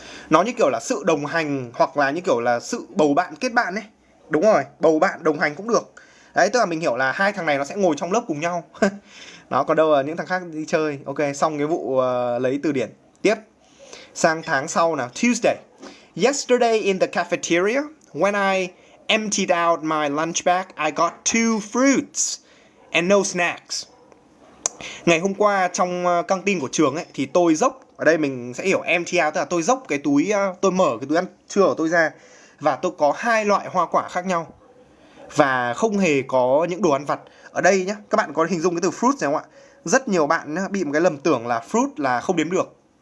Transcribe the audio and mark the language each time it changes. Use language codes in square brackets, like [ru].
[vi] Nó như kiểu là sự đồng hành hoặc là như kiểu là sự bầu bạn kết bạn ấy. Đúng rồi, bầu bạn đồng hành cũng được. Đấy, tức là mình hiểu là hai thằng này nó sẽ ngồi trong lớp cùng nhau. Nó còn đâu là những thằng khác đi chơi. Ok, xong cái vụ lấy từ điển. Tiếp sang tháng sau nào, Tuesday. [en] Yesterday in the cafeteria, when I emptied out my lunch bag, I got 2 fruits and no snacks. [vi] Ngày hôm qua trong căng tin của trường ấy, thì tôi dốc, ở đây mình sẽ hiểu empty out, tức là tôi dốc cái túi, tôi mở cái túi ăn trưa của tôi ra, và tôi có 2 loại hoa quả khác nhau, và không hề có những đồ ăn vặt. Ở đây nhá, các bạn có hình dung cái từ fruits này không ạ? Rất nhiều bạn bị một cái lầm tưởng là fruit là không đếm được.